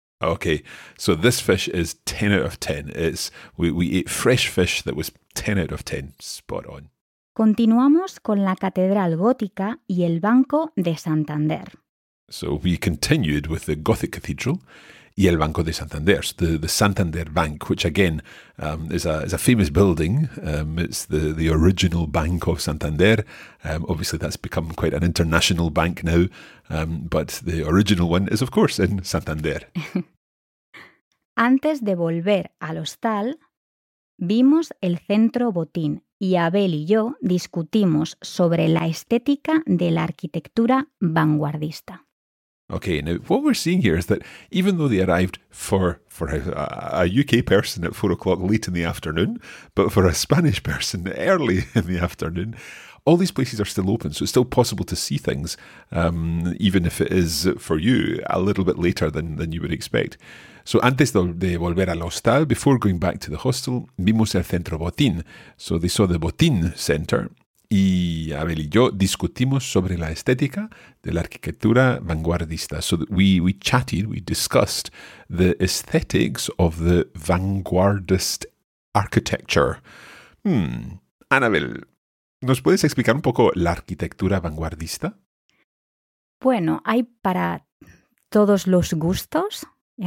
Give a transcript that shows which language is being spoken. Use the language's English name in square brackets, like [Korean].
[English] Okay, so this fish is 10 out of 10. It's we ate fresh fish that was 10 out of 10, spot on. [Spanish] Continuamos con la Catedral Gótica y el Banco de Santander. [English] So we continued with the Gothic Cathedral [Spanish] y el Banco de Santander, [English] so the Santander Bank, which again is a famous building. It's the original Bank of Santander. Obviously, that's become quite an international bank now, but the original one is, of course, in Santander. [Spanish] Antes de volver al hostal, vimos el centro Botín y Abel y yo discutimos sobre la estética de la arquitectura vanguardista. [English] Okay, now what we're seeing here is that even though they arrived for a UK person at 4 o'clock late in the afternoon, but for a Spanish person early in the afternoon, all these places are still open, so it's still possible to see things, even if it is for you a little bit later than you would expect. So [Spanish] antes de volver al hostal, [English] before going back to the hostel, [Spanish] vimos el centro Botín. [English] So they saw the Botín Center. [Spanish] Y Abel y yo discutimos sobre la estética de la arquitectura vanguardista. [English] So we discussed the aesthetics of the vanguardist architecture. [Spanish] Anabel, ¿nos puedes explicar un poco la arquitectura vanguardista? Bueno, hay para todos los gustos, ¿ya?